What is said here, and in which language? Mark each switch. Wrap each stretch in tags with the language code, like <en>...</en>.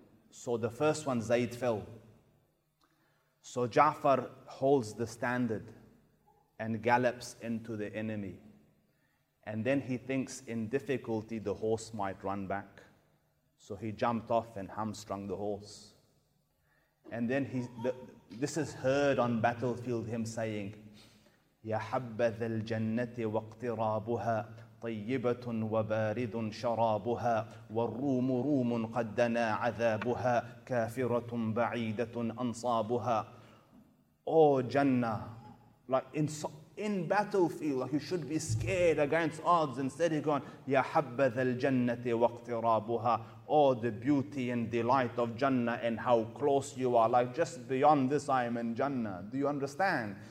<en>So the first one, Zayd, fell. So Ja'far holds the standard and gallops into the enemy. And then he thinks in difficulty the horse might run back. So he jumped off and hamstrung the horse. And then this is heard on battlefield, him saying,</en> <ar>يَا حَبَّذَ الْجَنَّةِ وَاقْتِرَابُهَا طَيِّبَةٌ وَبَارِدٌ شَرَابُهَا وَالرُّومُ رُومٌ قَدَّنَا عَذَابُهَا كَافِرَةٌ بَعِيدَةٌ أَنصَابُهَا.</ar> <en>Oh, Jannah. Like in battlefield, like you should be scared against odds. Instead he's going,</en> <ar>يَا حَبَّذَ الْجَنَّةِ وَاقْتِرَابُهَا</ar> <en>Oh, the beauty and delight of Jannah and how close you are. Like, just beyond this, I am in Jannah. Do you understand?</en>